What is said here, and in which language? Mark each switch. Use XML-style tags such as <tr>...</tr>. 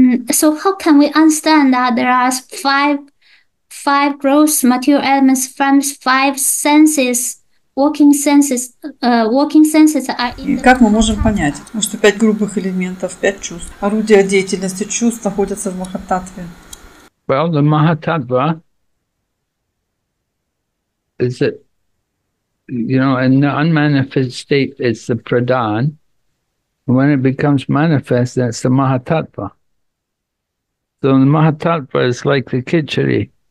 <en>So how can we understand that there are five gross material elements from five senses, working senses are in.</en> <ru>Как мы можем понять, что 5 грубых элементов, 5 чувств, орудия деятельности чувств находятся в Махаттатве?</ru> <en>Well, the Mahatattva is it, you know, in the unmanifest state it's the Pradhan. When it becomes manifest, that's the Mahatattva. So the Mahatattva is like the Khichdi.</en>